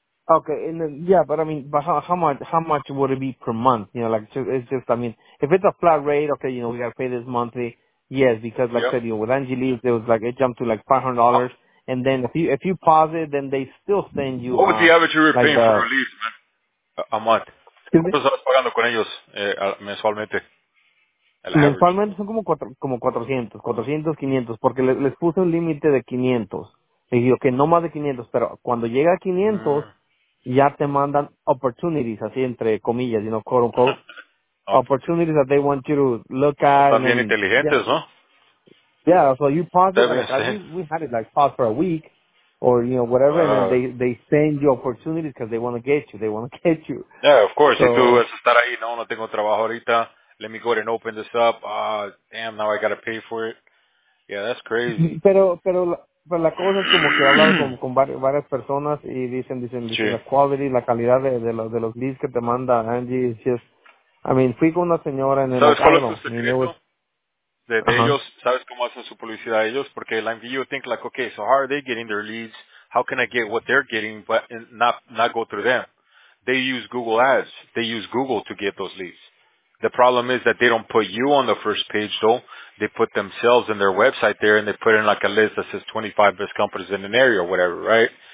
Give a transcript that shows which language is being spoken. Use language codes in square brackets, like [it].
[en] Okay, and then, yeah, but I mean, but how much would it be per month? You know, like, it's just, I mean, if it's a flat rate, okay, you know, we got to pay this monthly. Yes, because like yep. I said, you know, with Angeles, it was like, it jumped to like $500. Oh. And then if you pause it, then they still send you. What was the average you were paying for a lease, man? A month. Excuse me? [es] ¿Cuánto estás pagando con ellos mensualmente? Mensualmente son como 400, 500, porque les puse un límite de 500. Y digo que no más de 500, pero cuando llega a 500, ya te mandan opportunities, así entre comillas, [en] you know, quote unquote. Okay. Opportunities that they want you to look at. [es] Están bien inteligentes, [en] yeah. [es] ¿no? [en] Yeah, so you pause it. Like, we had it like pause for a week or, you know, whatever, and then they send you opportunities because they want to get you. They want to get you. Yeah, of course. So, if you want to [es] estar ahí, no tengo trabajo ahorita. [en] Let me go ahead and open this up. Damn, now I got to pay for it. Yeah, that's crazy. [es] Pero la cosa es como que hablar con varias personas y dicen la quality, la calidad de los leads que te manda Angie. [en] It's just, I mean, [es] fui con una señora en el... ¿Sabes cuál es tu secreto? De ellos, ¿sabes cómo hacen su publicidad de ellos? [en] Porque like, you think like, okay, so how are they getting their leads? How can I get what they're getting but not go through them? They use Google Ads. They use Google to get those leads. The problem is that they don't put you on the first page, though. They put themselves in their website there, and they put in, like, a list that says 25 best companies in an area or whatever, right?